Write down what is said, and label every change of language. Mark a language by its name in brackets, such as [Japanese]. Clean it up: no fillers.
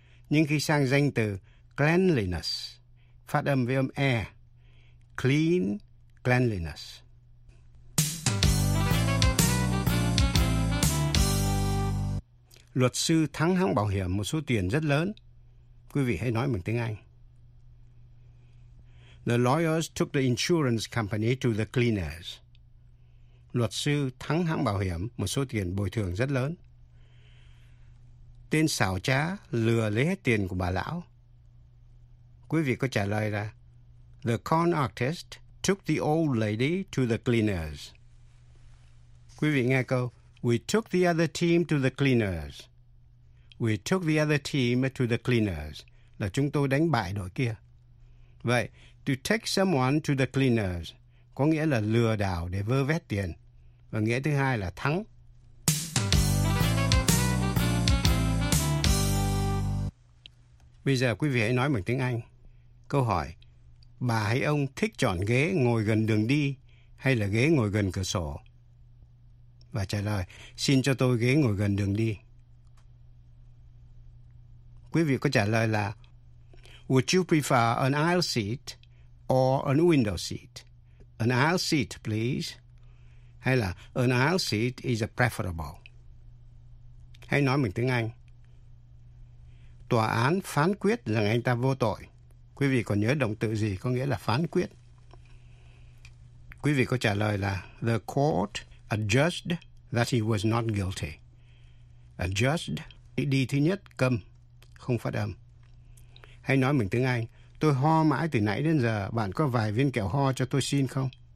[Vietnamese] Nhưng khi sang danh từ cleanliness, phát âm với âm E. [English] Clean, cleanliness. [Vietnamese] Luật sư thắng hãng bảo hiểm một số tiền rất lớn. Quý vị hãy nói bằng tiếng Anh. [English] The lawyers took the insurance company to the cleaners. [Vietnamese] Luật sư thắng hãng bảo hiểm một số tiền bồi thường rất lớn. Tên xảo trá lừa lấy hết tiền của bà lão. Quý vị có trả lời là [English] the con artist took the old lady to the cleaners. [Vietnamese] Quý vị nghe câu [English] we took the other team to the cleaners. We took the other team to the cleaners. [Vietnamese] Là chúng tôi đánh bại đội kia. Vậy, [English] to take someone to the cleaners [Vietnamese] có nghĩa là lừa đảo để vơ vét tiền. Và nghĩa thứ hai là thắng. Bây giờ quý vị hãy nói bằng tiếng Anh. Câu hỏi, bà hay ông thích chọn ghế ngồi gần đường đi hay là ghế ngồi gần cửa sổ? Và trả lời, xin cho tôi ghế ngồi gần đường đi. quý vị có trả lời là [English] Would you prefer an aisle seat or an window seat? An aisle seat, please. [Vietnamese] Hay là [English] an aisle seat is preferable. [Vietnamese] Hay nói bằng tiếng Anh. Tòa án phán quyết rằng anh ta vô tội. Quý vị còn nhớ động từ gì có nghĩa là phán quyết? Quý vị có trả lời là [English] The court adjudged that he was not guilty. [Vietnamese] Adjudged, đi thứ nhất, câm, không phát âm. Hay nói bằng tiếng Anh, tôi ho mãi từ nãy đến giờ, bạn có vài viên kẹo ho cho tôi xin không?